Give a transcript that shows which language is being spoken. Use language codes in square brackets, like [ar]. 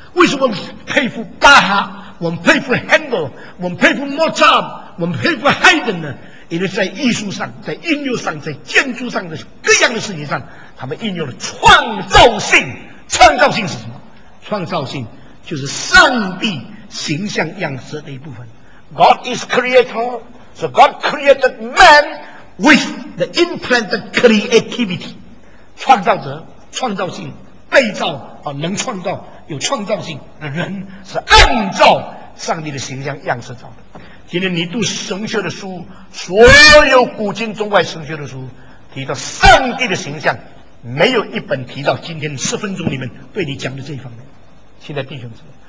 [zh] 为什么佩服巴哈？我们佩服 Handel， 我们佩服莫扎，我们佩服 Haydn 呢？因为在艺术上、在音乐上、在建筑上的各样的事情上，他们应用了创造性。创造性是什么？创造性就是上帝形象样式的一部分。 [en] God is creator, so God created man with the implanted creativity. [zh] 创造者、创造性、被造、能创造、有创造性的人是按照上帝的形象样式造的。今天你读神学的书，所有古今中外神学的书提到上帝的形象，没有一本提到今天十分钟里面对你讲的这一方面。现在弟兄姊妹，